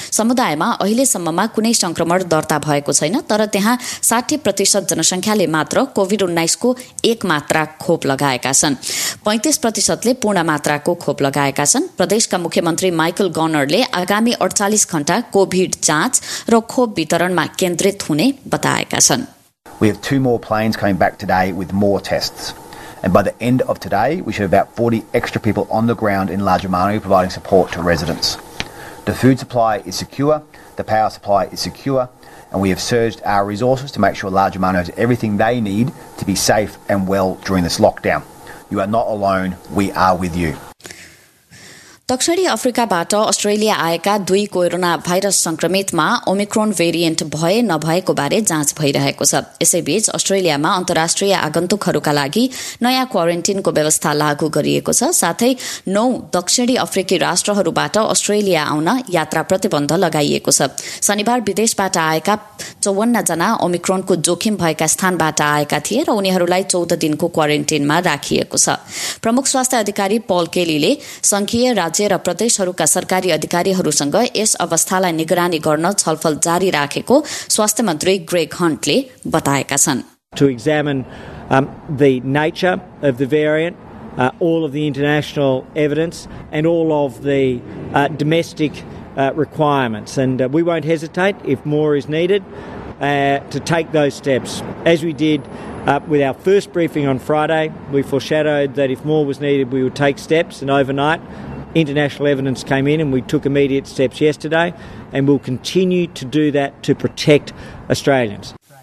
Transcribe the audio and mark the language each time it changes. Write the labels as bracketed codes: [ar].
[ne] समुदायमा अहिलेसम्ममा कुनै संक्रमण दर्ता भएको छैन, तर त्यहाँ 60% जनसंख्याले मात्र COVID-19 एक मात्रा खोप लगाएका छन्। 35% पूर्ण मात्राको खोप लगाएका छन्। प्रदेशका मुख्यमन्त्री माइकल गर्नरले आगामी 48 घण्टा कोभिड जाँच र खोप वितरणमा केन्द्रित हुने बताएका छन्। [en] We have 2 more planes coming back today with more tests. And by the end of today, we should have about 40 extra people on the ground in Lajamanu providing support to residents. The food supply is secure, the power supply is secure, and we have surged our resources to make sure Lajamanu has everything they need to be safe and well during this lockdown. You are not alone, we are with you. [ne] दक्षिणी अफ्रिकाबाट Australia आएका 2 corona virus संक्रमितमा Omicron variant भए नभएको बारे जाँच भइरहेको छ। यसैबीच अस्ट्रेलियामा अन्तर्राष्ट्रिय आगन्तुकहरूका लागि नयाँ क्वारेन्टिनको व्यवस्था लागू गरिएको छ। साथै 9 दक्षिणी अफ्रिकी राष्ट्रहरूबाट अस्ट्रेलिया आउन यात्रा प्रतिबन्ध लगाइएको छ। शनिबार विदेशबाट आएका 54 जना ओमिक्रोनको जोखिम भएका स्थानबाट आएका थिए र उनीहरूलाई 14 दिनको क्वारेन्टिनमा राखिएको छ। प्रमुख स्वास्थ्य अधिकारी पल केलीले संघीय राज्य र प्रदेशहरूका सरकारी अधिकारीहरूसँग यस अवस्थालाई निगरानी गर्न छलफल जारी राखेको स्वास्थ्य मन्त्री ग्रेग हन्टले बताएका छन्। [en] to examine the nature of the variant, all of the international evidence, and all of the domestic requirements. And we won't hesitate, if more is needed, to take those steps. As we did with our first briefing on Friday, we foreshadowed that if more was needed, we would take steps, and overnight, international evidence came in and we took immediate steps yesterday, and we'll continue to do that to protect Australians.